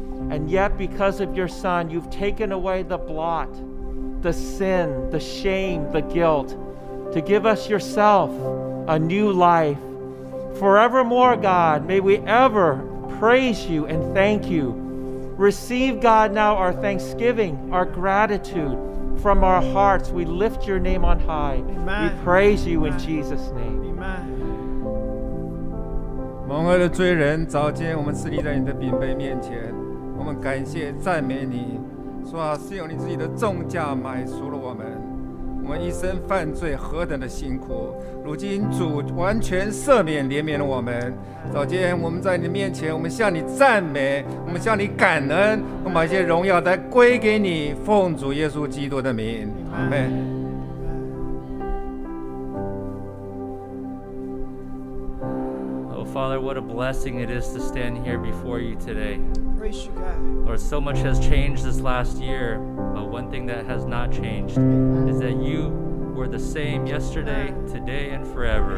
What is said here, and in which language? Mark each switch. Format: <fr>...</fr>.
<en>And yet, because of your Son, you've taken away the blot, the sin, the shame, the guilt, to give us yourself a new life. Forevermore, God, may we ever praise you and thank you. Receive, God, now our thanksgiving, our gratitude. From our hearts, we lift your name on high. Amen. We praise you. Amen. In Jesus' name. Amen.</en> <zh>蒙恩的罪人，早今我们侍立在你的饼杯面前，我们感谢赞美你，主啊，是用你自己的重价买赎了我们。我们一生犯罪何等的辛苦，如今主完全赦免怜悯了我们。早今我们在你的面前，我们向你赞美，我们向你感恩，我们把一些荣耀再归给你，奉主耶稣基督的名，阿门。</zh> <en>Oh Father, what a blessing it is to stand here before you today. Praise you, God. Lord, so much has changed this last year, but one thing that has not changed is that you were the same yesterday, today, and forever.</en>